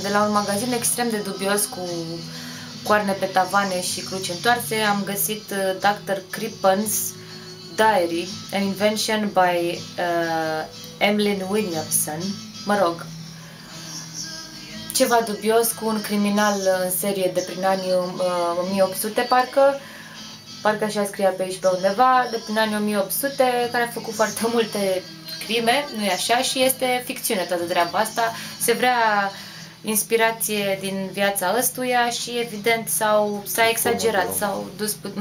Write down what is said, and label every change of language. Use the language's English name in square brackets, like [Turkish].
[Romanian] De la un magazin extrem de dubios cu coarne pe tavane și cruci întoarse, am găsit Dr. [English] Crippen's Diary, an invention by Emlyn Williamson. [Romanian] Mă rog. Ceva dubios cu un criminal în serie de prin anii 1800, parcă așa scria pe aici pe undeva, de prin anii 1800, care a făcut foarte multe crime, nu-i așa, și este ficțiune toată treaba asta. Se vrea inspirație din viața ăstuia și evident s-a exagerat, s-au dus...